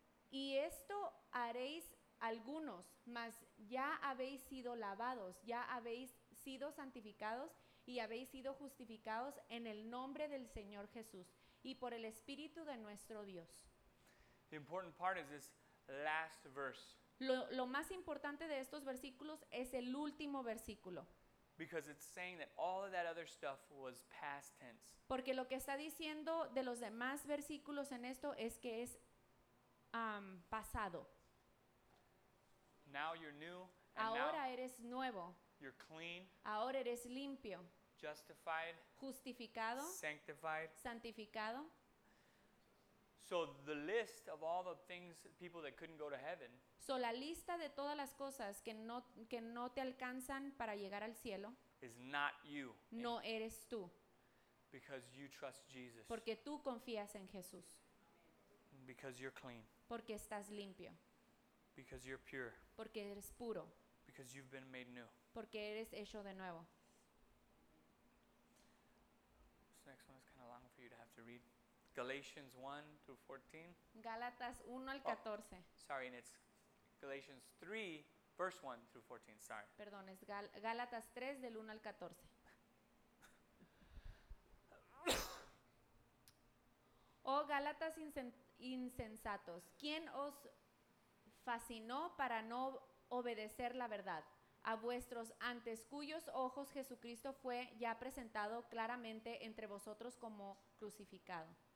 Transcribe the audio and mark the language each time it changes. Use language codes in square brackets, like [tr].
[es] Y esto haréis algunos, mas ya habéis sido lavados, ya habéis sido santificados y habéis sido justificados en el nombre del Señor Jesús y por el Espíritu de nuestro Dios. [en] The important part is this last verse. [es] Lo más importante de estos versículos es el último versículo. [en] Because it's saying that all of that other stuff was past tense. [es] Porque lo que está diciendo de los demás versículos en esto es que es pasado. [en] Now you're new. [es] Ahora eres nuevo. [en] You're clean. [es] Ahora eres limpio. [en] Justified. [es] Justificado. [en] Sanctified. [es] Santificado. [en] So the list of all the things, people that couldn't go to heaven. [es] So la lista de todas las cosas que no te alcanzan para llegar al cielo. [en] Is not you. [es] No eres tú. [en] Because you trust Jesus. [es] Porque tú confías en Jesús. [en] Because you're clean. [es] Porque estás limpio. [en] Because you're pure. [es] Porque eres puro. [en] Because you've been made new. [es] Porque eres hecho de nuevo. [en] This next one is kind of long for you to have to read. Galatians 1 through 14. [es] Gálatas 1 al 14. [en] Sorry, and it's Galatians 3, verse 1 through 14. Sorry. [es] Perdón, es Gálatas 3 del 1 al 14. Oh, Gálatas insensatos, ¿quién os fascinó para no obedecer la verdad? A vuestros antes cuyos ojos Jesucristo fue ya presentado claramente entre vosotros como crucificado.